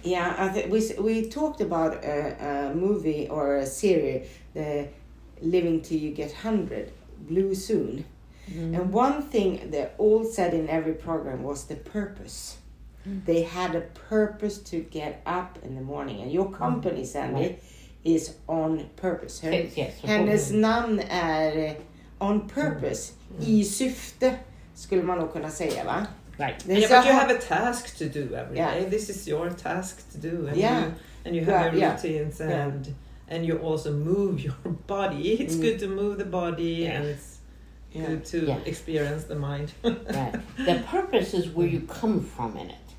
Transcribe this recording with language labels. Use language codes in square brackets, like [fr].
[en] We talked about a movie or a series, the Living Till You Get 100, Blue Soon. And one thing they all said in every program was the purpose. They had a purpose to get up in the morning. And your company, Sandy, is on purpose. [sv] Hennes namn är on purpose. I syfte, skulle man nog kunna säga, va? [en] Right. Yeah, but you have a task to do every day. This is your task to do. And you have your routines and you also move your body. It's good to move the body and it's good to experience the mind. Right. The purpose is where you come from in it.